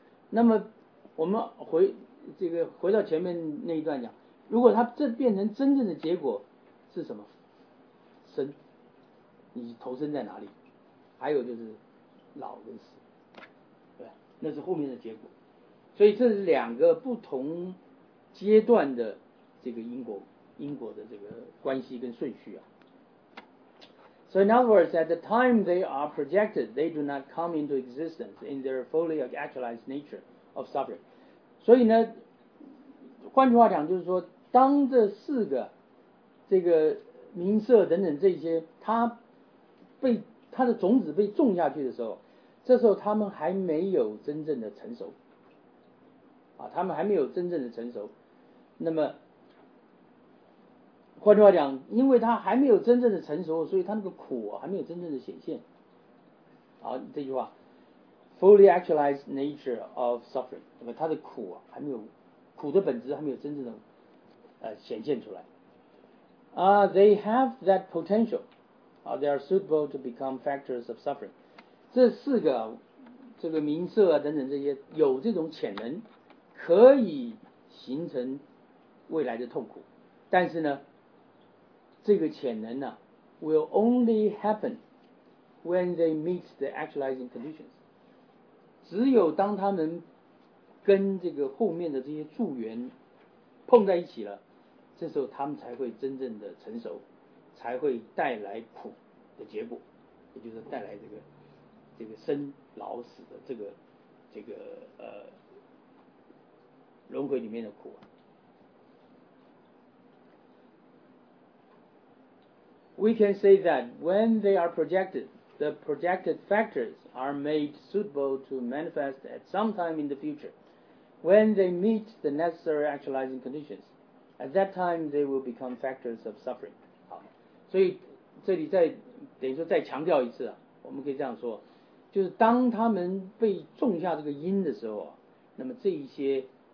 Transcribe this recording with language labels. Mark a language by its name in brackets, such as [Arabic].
[Chinese] 那么我们回到前面那一段讲，如果他这变成真正的结果是什么？生。你投身在哪里，还有就是老跟死，对，那是后面的结果，所以这是两个不同阶段的这个因果的这个关系跟顺序啊。 [English] So in other words, at the time they are projected, they do not come into existence in their fully actualized nature of suffering. [Chinese] 所以呢，换句话讲就是说，当这四个这个名色等等这些，它的种子被种下去的时候，这时候他们还没有真正的成熟啊，他们还没有真正的成熟。那么换句话讲，因为它还没有真正的成熟，所以它那个苦、啊、还没有真正的显现。好、啊，这句话 ， fully actualized nature of suffering，那么它的苦、啊、还没有，苦的本质还没有真正的显现出来。 [English] They have that potential。 They are suitable to become factors of suffering. [Chinese] 这四个，这个名色啊等等这些，有这种潜能，可以形成未来的痛苦。 [English] 但是呢，这个潜能呢、啊、，will only happen when they meet the actualizing conditions. [Chinese] 只有当他们跟这个后面的这些助缘碰在一起了，这时候他们才会真正的成熟。才会带来苦的结果，也就是带来这个生老死的这个轮回里面的苦。 [English] We can say that when they are projected, the projected factors are made suitable to manifest at some time in the future. When they meet the necessary actualizing conditions, at that time they will become factors of suffering. [Chinese] 所以这里再等于说再强调一次啊，我们可以这样说，就是当他们被种下这个因的时候，那么这一些